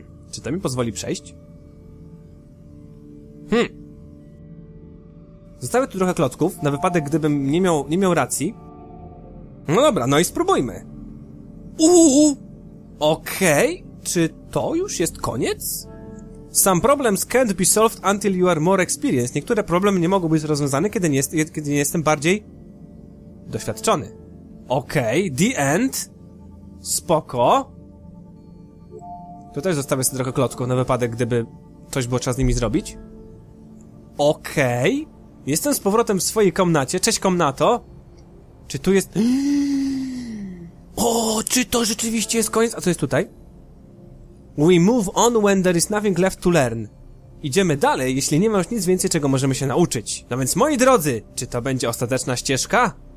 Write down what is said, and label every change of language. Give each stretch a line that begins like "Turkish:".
Polish: Czy to mi pozwoli przejść? Zostawię tu trochę klocków, na wypadek gdybym nie miał racji. No dobra, no i spróbujmy. Okej, czy to już jest koniec?
English: Some problems can't be solved until you are more experienced.
Polish: Niektóre problemy nie mogą być rozwiązane, kiedy nie jestem bardziej doświadczony. Okej,
English: the end.
Polish: Spoko. Tu też zostawię sobie trochę klocków na wypadek, gdyby coś było trzeba z nimi zrobić. Okej. Jestem z powrotem w swojej komnacie. Cześć, komnato. Czy tu jest... O, czy to rzeczywiście jest koniec? A co jest tutaj?
English: We move on when there is nothing left to learn.
Polish: Idziemy dalej, jeśli nie ma już nic więcej, czego możemy się nauczyć. No więc, moi drodzy, czy to będzie ostateczna ścieżka?